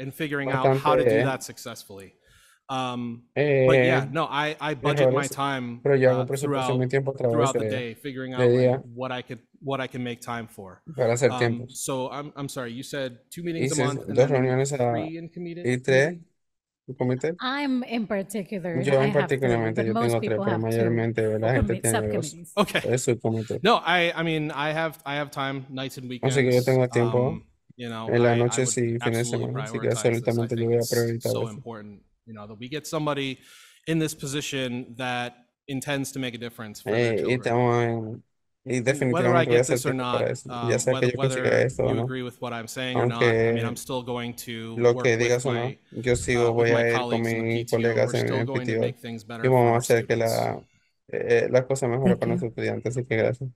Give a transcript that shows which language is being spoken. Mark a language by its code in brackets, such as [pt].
[en] in figuring out how to do that successfully. But yeah, no, I budget my time throughout the day, figuring out [es] día, [en] what I can make time for. [es] Para hacer tiempos. [en] So I'm sorry. You said two meetings a month and then three in committee. [es] Comité? [en] I'm in particular. [es] Yo en particularmente, yo tengo tres, pero mayormente la gente tiene dos. [en] Okay. [es] Es su comité. [en] No, I mean, I have time, nights and weekends. [es] Así que yo tengo tiempo en la noche y fines de semana, así que absolutamente yo voy a priorizar eso. [en] You know, that we get somebody in this position that intends to make a difference for their children. Whether I get this or not, whether you agree with what I'm saying or not, I mean, I'm still going to work with my colleagues in the PTO. We're still going to make things better for our students. [es] Las cosas mejoran para los estudiantes, así que gracias.